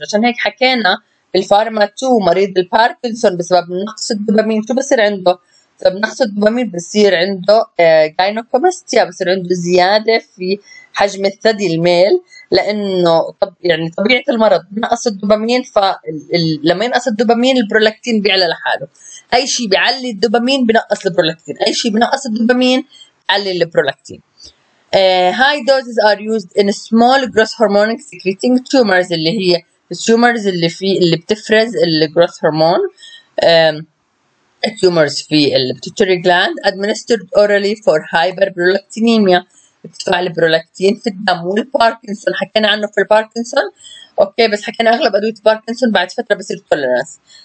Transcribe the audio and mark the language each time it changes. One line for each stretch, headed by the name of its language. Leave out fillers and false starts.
Arabic: عشان هيك حكينا الفارما 2 مريض الباركنسون بسبب نقص الدوبامين شو بصير عنده؟ بسبب نقص الدوبامين بصير عنده جاينوكوماستيا، بصير عنده زياده في حجم الثدي الميل، لانه يعني طبيعه المرض نقص الدوبامين، فلما ينقص الدوبامين البرولاكتين بيعلى لحاله. اي شيء بيعلي الدوبامين بنقص البرولاكتين، اي شيء بنقص الدوبامين بيعلي البرولاكتين.
English: High doses are used in small growth hormone secreting tumors
Arabic: اللي هي
English: tumors
Arabic: اللي في اللي بتفرز
English: growth hormone tumors في pituitary gland administered orally for hyperprolactinemia
Arabic: ارتفاع البرولاكتين في الدم والباركنسون، حكينا عنه في الباركنسون اوكي، بس حكينا اغلب ادويه الباركنسون بعد فتره بصير تولرانس.